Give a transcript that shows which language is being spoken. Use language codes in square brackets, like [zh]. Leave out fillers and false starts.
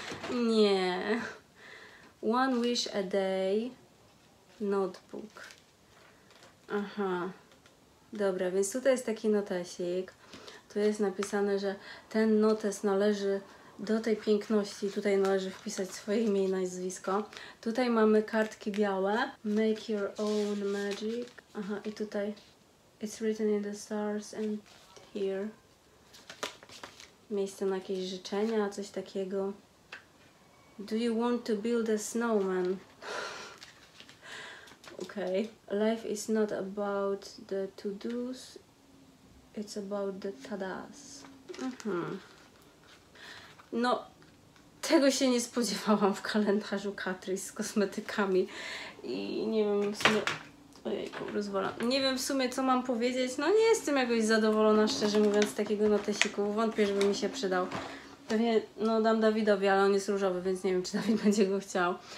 [pl] Nie. One Wish a Day Notebook. Aha. Dobra, więc tutaj jest taki notesik. Tu jest napisane, że ten notes należy do tej piękności. Tutaj należy wpisać swoje imię i nazwisko. Tutaj mamy kartki białe. [en] Make your own magic. [pl] Aha, i tutaj [en] it's written in the stars and here. [pl] Miejsce na jakieś życzenia, coś takiego. [en] Do you want to build a snowman? Okay. Life is not about the to-dos, it's about the tadas. [pl] No, tego się nie spodziewałam w kalendarzu Katry z kosmetykami. I nie wiem w sumie... Ojejku, rozwalam. Nie wiem w sumie, co mam powiedzieć. No nie jestem jakoś zadowolona, szczerze mówiąc, z takiego notesiku. Wątpię, żeby mi się przydał. Pewnie, no dam Dawidowi, ale on jest różowy, więc nie wiem, czy Dawid będzie go chciał.